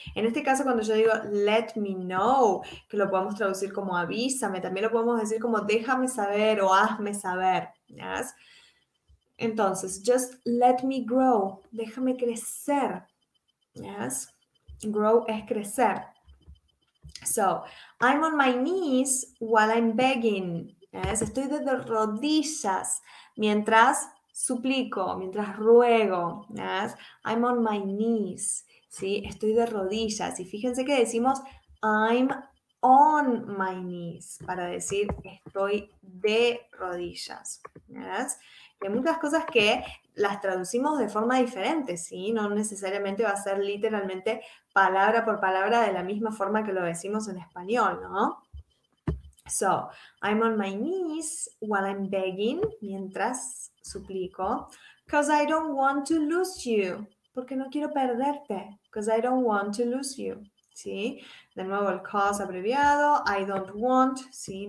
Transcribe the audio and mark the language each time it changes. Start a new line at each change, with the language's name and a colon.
Spanish: En este caso, cuando yo digo
English: let me know,
Spanish: que lo podemos traducir como avísame, también lo podemos decir como déjame saber o hazme saber, ¿sabes? Entonces,
English: just let me grow,
Spanish: déjame crecer, ¿sabes? Grow es crecer.
English: So, I'm on my knees while I'm begging.
Spanish: ¿Ves? Estoy desde rodillas mientras suplico, mientras ruego. ¿Ves?
English: I'm on my knees.
Spanish: ¿Sí? Estoy de rodillas. Y fíjense que decimos
English: I'm on my knees
Spanish: para decir estoy de rodillas. ¿Ves? Y hay muchas cosas que las traducimos de forma diferente, ¿sí? No necesariamente va a ser literalmente palabra por palabra de la misma forma que lo decimos en español, ¿no?
English: So, I'm on my knees while I'm begging,
Spanish: mientras suplico,
English: because I don't want to lose you,
Spanish: porque no quiero perderte,
English: because I don't want to lose you, ¿sí?
Spanish: De nuevo el cause abreviado,
English: I don't want,
Spanish: ¿sí?